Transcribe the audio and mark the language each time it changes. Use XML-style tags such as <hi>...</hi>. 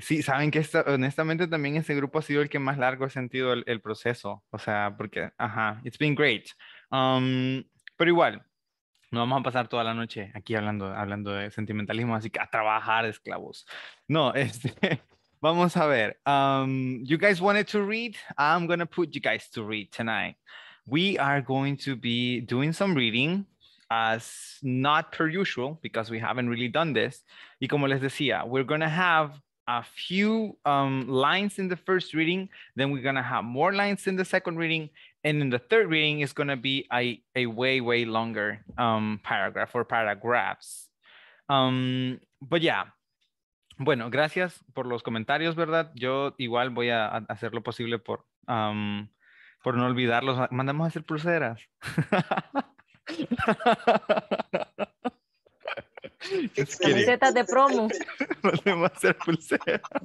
<es>Sí, saben que honestamente también ese grupo ha sido el que más largo he sentido el proceso. O sea, porque, ajá,</es> <en>it's been great.</en> <es>Pero igual, no vamos a pasar toda la noche aquí hablando de sentimentalismo, así que a trabajar, esclavos. No, vamos a ver.</es> <en>You guys wanted to read? I'm going to put you guys to read tonight. We are going to be doing some reading, as not per usual, because we haven't really done this.</en> <es>Y como les decía,</es> <en>we're going to have a few lines in the first reading, then we're going to have more lines in the second reading, and in the third reading is going to be a way, way longer paragraph or paragraphs. But yeah,</en> <es>bueno, gracias por los comentarios, ¿verdad? Yo igual voy a hacer lo posible por no olvidarlos. Mandamos a hacer pulseras. Camisetas de promo. Podemos hacer pulseras.</es>